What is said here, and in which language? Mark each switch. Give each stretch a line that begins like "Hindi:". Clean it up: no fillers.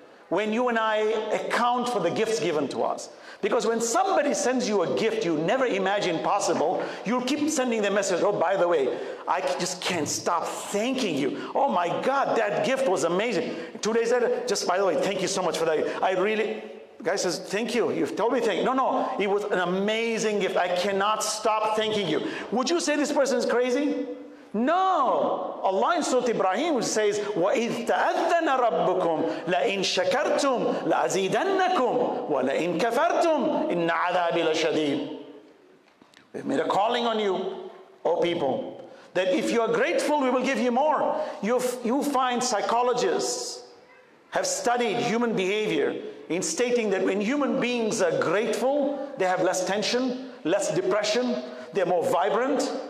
English: When you and I account for the gifts given to us. Because when somebody sends you a gift you never imagined possible, you'll keep sending the message, oh, by the way, I just can't stop thanking you. Oh my God, that gift was amazing. 2 days later, just by the way, thank you so much for that. Guy says, thank you. You've told me thank you. No. It was an amazing gift. I cannot stop thanking you. Would you say this person is crazy? No. Allah in Surah Ibrahim says,
Arabic: وَإِذْ تَأَذَّنَ رَبُّكُمْ لَإِنْ شَكَرْتُمْ لَأَزِيدَنَّكُمْ وَلَإِنْ كَفَرْتُمْ إِنَّ عَذَابِ لَشَدِيدٌ.
English: We've made a calling on you, O people, that if you are grateful, we will give you more. You find psychologists have studied human behavior in stating that when human beings are grateful, they have less tension, less depression, They're more vibrant.